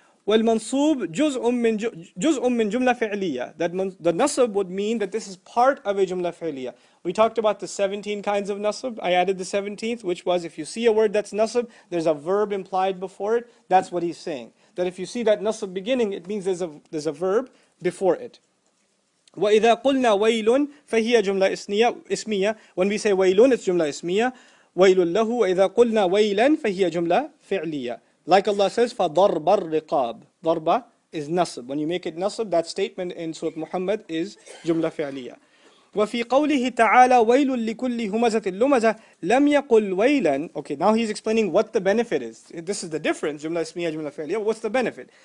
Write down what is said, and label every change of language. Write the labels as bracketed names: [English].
[Arabic] Wal-mansub juz'un min jumla fi'liyya, [English] that the nasab would mean that this is part of a jumla fi'liyya. We talked about the 17 kinds of nasab. I added the 17th, which was if you see a word that's nasab, there's a verb implied before it. That's what he's saying. That if you see that nasab beginning, it means there's a verb before it. [Arabic] وَإِذَا قُلْنَا وَيْلٌ فَهِيَ جُمْلَ إِسْمِيَةٌ, [English] when we say [Arabic] وَيْلٌ, it's جُمْلَ إِسْمِيَةٌ. وَيْلٌ لَهُ وَإِذَا قُلْنَا وَيْلًا فَهِيَ جُمْلَ فِعْلِيَةٌ. [English] Like Allah says, [Arabic] فَضَرْبَ الرِّقَابِ, [English] ضَرْبَ is nasab. When you make it nasab, that statement in Surah Muhammad is جُمْلَ فِعْلِيَةٌ. [Arabic] وَفِي قَوْلِهِ تَعَالَى وَيْلٌ لِكُلِّ هُمَزَةٍ لُمَزَةٍ لَمْ يَقُلْ وَيْلًا. [English] Okay, now he's explaining what the benefit is. This is the difference, [Arabic] جُمْلَ إِسْمِيَةٌ جُمْلَ فِعْلِيَةٌ. [English] What's the benefit?